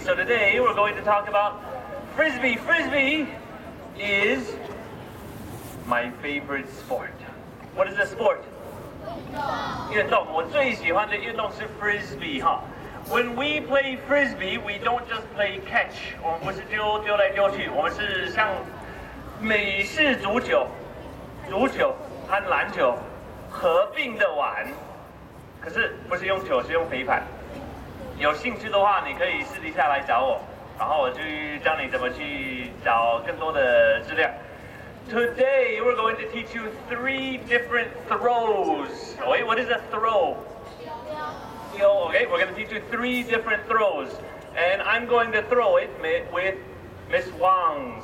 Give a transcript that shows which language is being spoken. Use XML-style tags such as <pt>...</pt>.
<en>So today, we're going to talk about frisbee. Frisbee is my favorite sport. What is the sport?</en> <zh>运动。运动。我最喜欢的运动是 frisbee, huh?</zh> <en>When we play frisbee, we don't just play catch.</en> <zh>我们不是丢丢来丢去，我们是像美式足球、足球和篮球合并的玩。可是不是用球，是用飞盘。有兴趣的话，你可以私底下来找我，然后我就教你怎么去找更多的资料。</zh> <en>Today we're going to teach you three different throws. Wait, what is a throw? Okay, we're going to teach you three different throws, and I'm going to throw it with Miss Wang.</en>